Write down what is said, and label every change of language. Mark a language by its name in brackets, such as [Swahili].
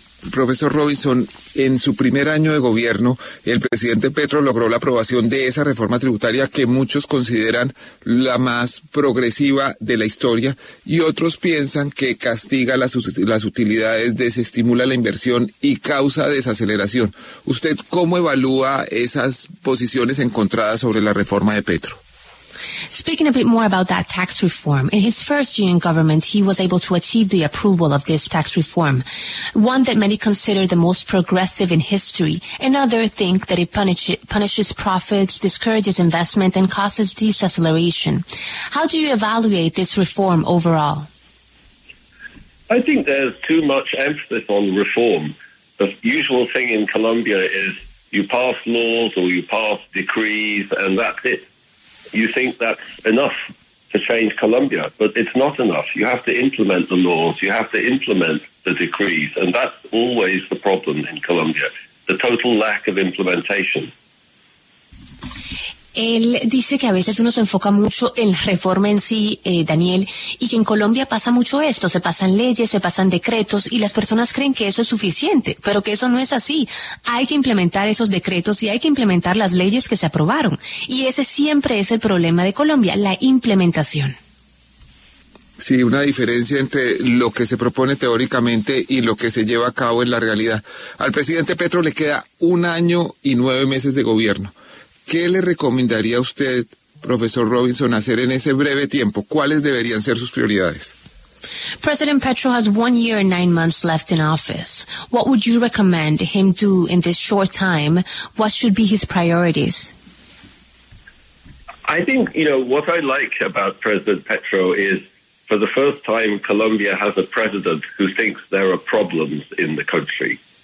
[Spanish] Profesor Robinson, en su primer año de gobierno, el presidente Petro logró la aprobación de esa reforma tributaria que muchos consideran la más progresiva de la historia y otros piensan que castiga las utilidades, desestimula la inversión y causa desaceleración. ¿Usted cómo evalúa esas posiciones encontradas sobre la reforma de Petro? [English] Speaking a bit more about that tax reform, in his first year in government, he was able to achieve the approval of this tax reform, one that many consider the most progressive in history, and others think that it punishes profits, discourages investment, and causes deceleration. How do you evaluate this reform overall? I think there's too much emphasis on reform. The usual thing in Colombia is you pass laws or you pass decrees, and that's it. You think that's enough to change Colombia, but it's not enough. You have to implement the laws, you have to implement the decrees, and that's always the problem in Colombia, the total lack of implementation. [Spanish] Él dice que a veces uno se enfoca mucho en la reforma en sí, Daniel, y que en Colombia pasa mucho esto, se pasan leyes, se pasan decretos, y las personas creen que eso es suficiente, pero que eso no es así. Hay que implementar esos decretos y hay que implementar las leyes que se aprobaron. Y ese siempre es el problema de Colombia, la implementación. Sí, una diferencia entre lo que se propone teóricamente y lo que se lleva a cabo en la realidad. Al presidente Petro le queda 1 año y 9 meses de gobierno. ¿Qué le recomendaría a usted, profesor Robinson, hacer en ese breve tiempo? ¿Cuáles deberían ser sus prioridades? [English] President Petro has 1 year and 9 months left in office. What would you recommend him do in this short time? What should be his priorities? I think, you know, what I like about President Petro is, for the first time, Colombia has a president who thinks there are problems in the country.